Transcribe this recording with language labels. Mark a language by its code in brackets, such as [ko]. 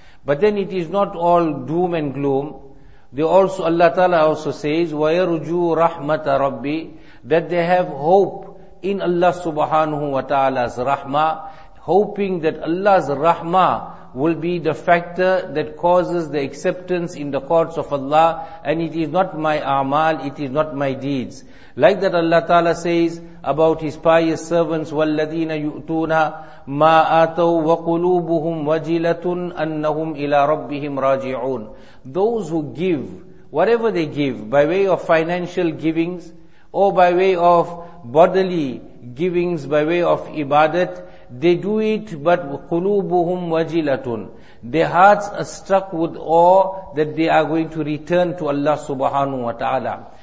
[en] But then it is not all doom and gloom. They also, Allah ta'ala also says, [ar] وَيَرُجُوا رَحْمَةَ رَبِّي, [en] that they have hope in Allah subhanahu wa ta'ala's rahmah, hoping that Allah's rahmah will be the factor that causes the acceptance in the courts of Allah, and it is not my a'mal, it is not my deeds. Like that Allah ta'ala says about his pious servants, [ar] وَالَّذِينَ يُؤْتُونَ مَا آتَوْا وَقُلُوبُهُمْ وَجِلَةٌ أَنَّهُمْ إِلَىٰ رَبِّهِمْ رَاجِعُونَ. [en] Those who give, whatever they give, by way of financial givings, or by way of bodily givings by way of ibadat, they do it, but [ar] قُلُوبُهُمْ وَجِلَةٌ. [en] Their hearts are struck with awe that they are going to return to Allah subhanahu wa ta'ala.